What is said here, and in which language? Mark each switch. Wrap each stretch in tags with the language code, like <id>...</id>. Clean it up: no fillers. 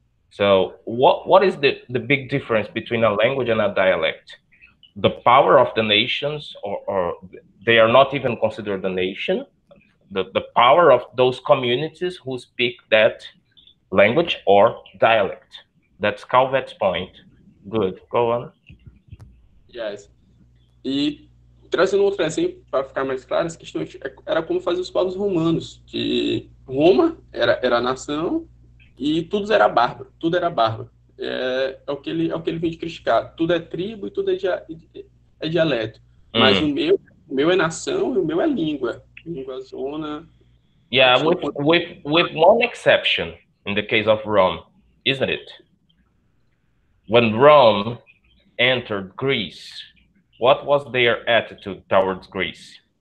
<en>So what is the big difference between a language and a dialect? The power of the nations, or they are not even considered a nation. The power of those communities who speak that language or dialect. That's Calvet's point. Good. Go on. Yes.</en> <pt>E trazendo outro exemplo para ficar mais claro, essa questão era como fazer os povos romanos, que Roma era a nação e tudo era bárbaro. é o que ele vem de criticar. Tudo é tribo e tudo é dialeto. Mas o meu é nação e o meu é língua. Língua zona.</pt> <en>Yeah,</en> <pt>Sou contra.</pt> <en>with one exception in the case of Rome, isn't it? When Rome entered Greece, what was their attitude towards Greece?</en>